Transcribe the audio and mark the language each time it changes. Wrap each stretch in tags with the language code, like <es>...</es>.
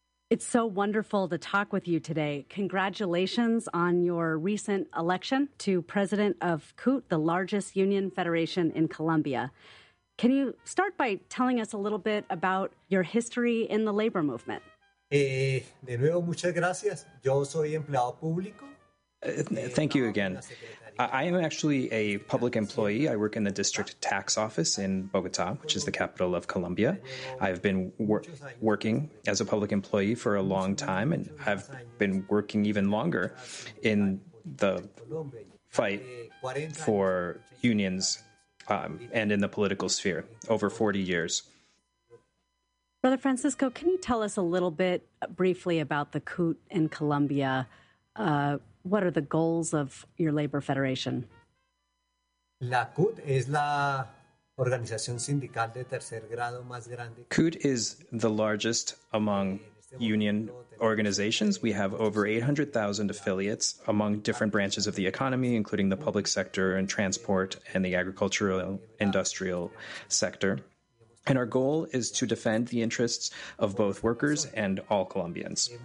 <en>It's so wonderful to talk with you today. Congratulations on your recent election to president of CUT, the largest union federation in Colombia. Can you start by telling us a little bit about your history in the labor movement?</en> <es>De nuevo, muchas gracias. Yo soy empleado público.</es> <en>Thank you again. I am actually a public employee. I work in the district tax office in Bogota, which is the capital of Colombia. I've been working as a public employee for a long time, and I've been working even longer in the fight for unions and in the political sphere, over 40 years. Brother Francisco, can you tell us a little bit briefly about the coup in Colombia? What are the goals of your labor federation?</en> <es>La CUT es la organización sindical de tercer grado más grande.</es> <en>CUT is the largest among union organizations. We have over 800,000 affiliates among different branches of the economy, including the public sector and transport and the agricultural industrial sector. And our goal is to defend the interests of both workers and all Colombians.</en>